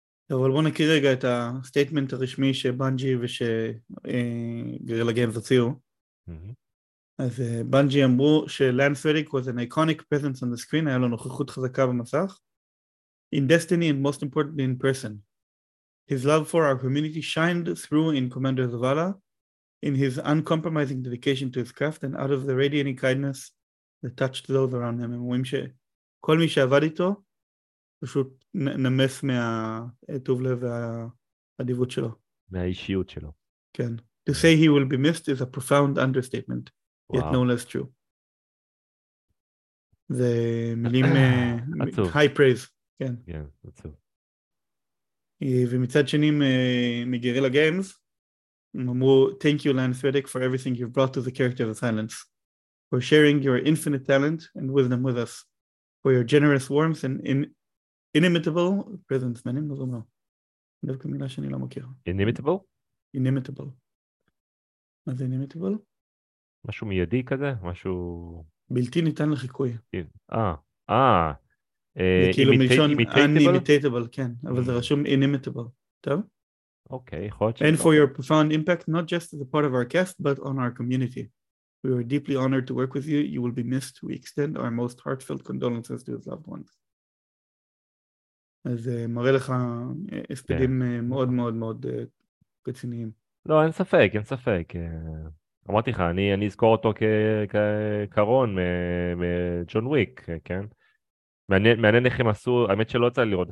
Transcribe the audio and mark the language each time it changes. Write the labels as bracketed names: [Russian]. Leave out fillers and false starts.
[Hebrew] אבל בוא נקריא רגע את הסטייטמנט הרשמי שבנג'י ושגרילה גיימז הוציאו. אז בנג'י אמרו שלאנס רדיק [English] was an iconic presence on the screen, [Hebrew] היה לו נוכחות חזקה במסך. [English] In Destiny and most importantly in person. His love for our community shined through in Commander Zavala, in his uncompromising dedication to his craft, and out of the radiant kindness that touched those around him. [Hebrew] הם רואים שכל מי שעבד איתו, פשוט נמס מהטוב לב והאדיבות שלו. מהאישיות שלו. כן. [English] To say he will be missed is a profound understatement, yet no less true. [Hebrew] זה מילים... עצוב. [English] High praise. [Hebrew] כן. כן, עצוב. ומצד שני מגרילה גיימס, הם אמרו, [English] Thank you, Lance Reddick, for everything you've brought to the character of the Silence. For sharing your infinite talent and wisdom with us. For your generous warmth and inimitable presence. [Hebrew] מה אני לא זומר? דווקא מילה שאני לא מכיר. [English] Inimitable? Inimitable. [Hebrew] מה זה inimitable? משהו מיידי כזה? משהו... בלתי ניתן לחיקוי. כאילו מלשון unimitatable, כן, אבל זה רשום inimitable, טוב? אוקיי, יכול להיות ש... [English] And for your profound impact, not just as a part of our cast, but on our community. We are deeply honored to work with you, you will be missed, we extend our most heartfelt condolences to his loved ones. [Hebrew] אז מראה לך הספדים מאוד מאוד מאוד רציניים. לא, אין ספק, אין ספק. אמרתי לך, אני אזכור אותו כקרון מג'ון וויק, כן? מעניין איך הם עשו, האמת שלא יצא לראות את